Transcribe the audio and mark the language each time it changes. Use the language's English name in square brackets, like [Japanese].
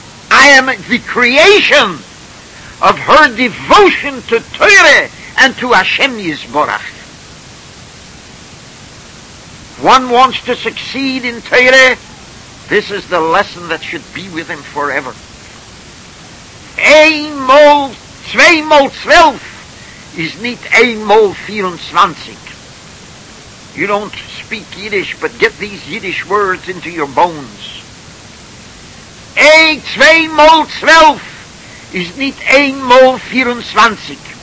[English] I am the creation of her devotion to Torah and to Hashem Yisborach. One wants to succeed in Torah. This is the lesson that should be with him forever. [Yiddish] Ein mol, zwei mol zwölf is nicht ein mol 24. [English] You don't speak Yiddish, but get these Yiddish words into your bones. [Yiddish] Ein zwei mol zwölf is nicht ein mol 24.